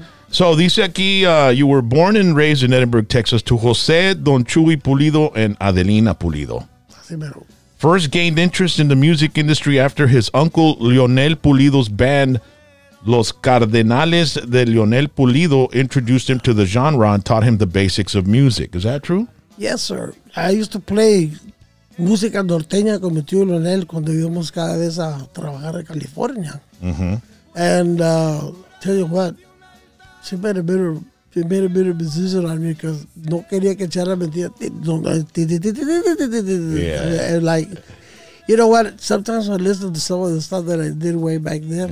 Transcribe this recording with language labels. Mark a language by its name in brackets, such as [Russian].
[English] So [Spanish] dice aquí, [English] you were born and raised in Edinburgh, Texas, to Jose Don Chuy Pulido and Adelina Pulido. [Spanish] Así mero. [English] First gained interest in the music industry after his uncle Leonel Pulido's band Los Cardenales de Leonel Pulido introduced him to the genre and taught him the basics of music. Is that true? Yes, sir. I used to play [Spanish] música norteña con mi tío Leonel cuando íbamos cada vez a trabajar en California. [English] And tell you what, she made a better, she made a better decision on me because [Spanish] no quería que echara mentira. [English] Yeah. Like, you know what? Sometimes I listen to some of the stuff that I did way back then.